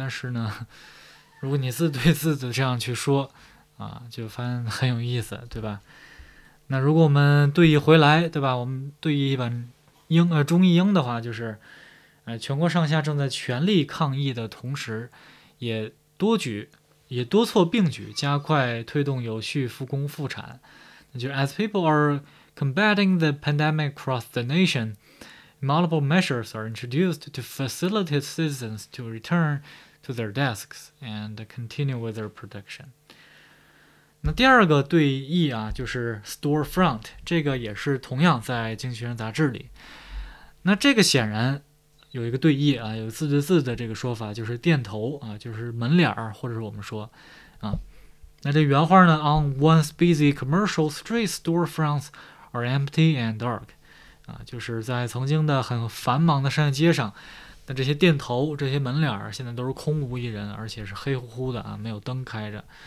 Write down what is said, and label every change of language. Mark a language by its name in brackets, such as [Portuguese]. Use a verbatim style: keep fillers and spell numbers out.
[Chinese] 但是呢，如果你字对字的这样去说啊，就发现很有意思，对吧？那如果我们对译回来，对吧？我们对译一本英呃中译英的话，就是，呃，全国上下正在全力抗疫的同时，也多举。也多措并举，加快推动有序复工复产。那就是 [English] As people are combating the pandemic across the nation, multiple measures are introduced to facilitate citizens to return to their desks and continue with their production. [Chinese] 那第二个对译啊，就是 storefront， 这个也是同样在《经济学人》杂志里。那这个显然。有一个对译啊，有字对字的这个说法，就是店头啊，就是门脸儿，或者是我们说啊，那这原话呢 ， [English] On one's busy commercial street, storefronts are empty and dark， [Chinese] 啊，就是在曾经的很繁忙的商业街上，那这些店头、这些门脸儿现在都是空无一人，而且是黑乎乎的啊，没有灯开着。